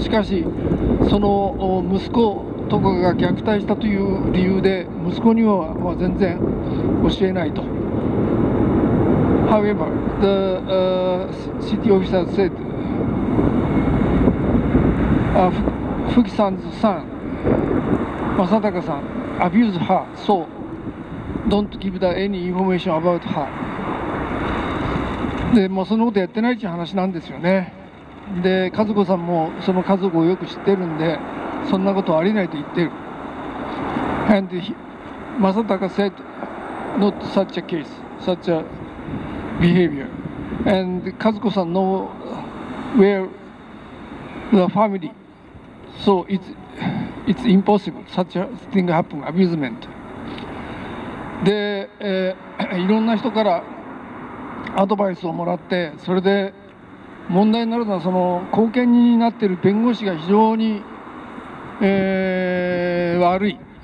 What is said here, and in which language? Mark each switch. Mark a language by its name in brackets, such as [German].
[Japanese] しかし、その息子とかが虐待したという理由で息子には全然教えないと。 [English] However, the、city officer said、Fukisan's son, Masataka-san, abused her, so don't give the any information about her. [Japanese] で、もうそのことやってないっていう話なんですよね。で、和子さんもその家族をよく知ってるんで、そんなことはありないと言ってる。 [English] And Masataka said not such a case, such a behavior. And Kazuko-san know where the family, so it's impossible such a thing happen, abusement. [Japanese] で、いろんな人からアドバイスをもらって、それで問題になるのは、その後見人になっている弁護士が非常に悪い。